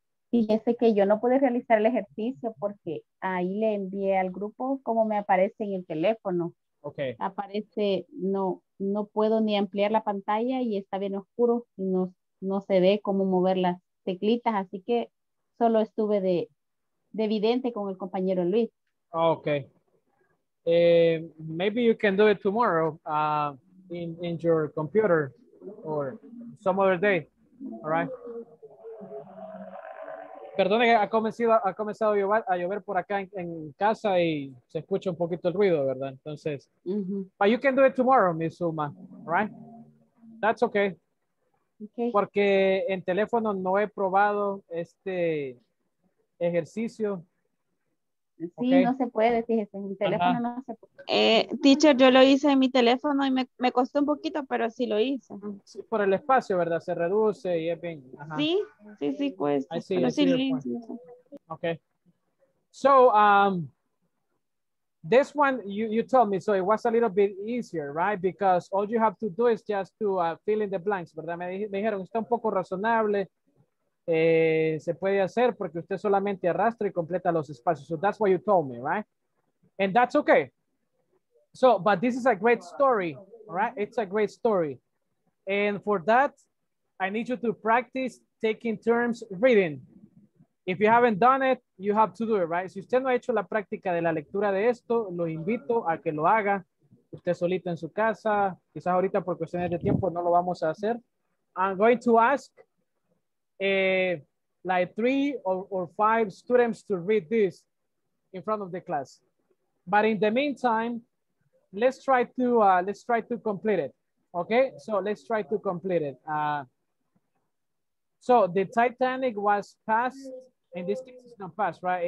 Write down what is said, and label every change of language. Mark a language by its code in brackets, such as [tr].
[es] Fíjese que yo no pude realizar el ejercicio porque ahí le envié al grupo como me aparece en el teléfono. [en] Okay. [es] Aparece, no puedo ni ampliar la pantalla y está bien oscuro y no se ve cómo mover las teclitas, así que solo estuve de vidente con el compañero Luis. [en] Okay. Maybe you can do it tomorrow in your computer or some other day. All right. [es] Perdone, ha comenzado a llover por acá en casa y se escucha un poquito el ruido, ¿verdad? Entonces, mm-hmm. [en] But you can do it tomorrow, Miss Uma. Right? That's okay. Okay. [es] Porque en teléfono no he probado este ejercicio. Sí, okay. No se puede, fíjese, en mi teléfono uh-huh. No se puede. Teacher, yo lo hice en mi teléfono y me costó un poquito, pero sí lo hice. Sí, por el espacio, ¿verdad? Se reduce y es bien. Uh-huh. Sí, cuesta. Ahí sí lo hice. [en] Okay. So, this one you told me, so it was a little bit easier, right? Because all you have to do is just to fill in the blanks, ¿verdad? [es] Me dijeron, está un poco razonable. Se puede hacer porque usted solamente arrastra y completa los espacios. [en] So that's what you told me, right? And that's okay. So, but this is a great story, right? It's a great story. And for that, I need you to practice taking turns reading. If you haven't done it, you have to do it, right? [es] Si usted no ha hecho la práctica de la lectura de esto, lo invito a que lo haga. Usted solito en su casa. Quizás ahorita por cuestiones de tiempo no lo vamos a hacer. [en] I'm going to ask like three or five students to read this in front of the class. But in the meantime, let's try to complete it. Okay, so let's try to complete it. So the Titanic was passed, in this case it's not passed, right?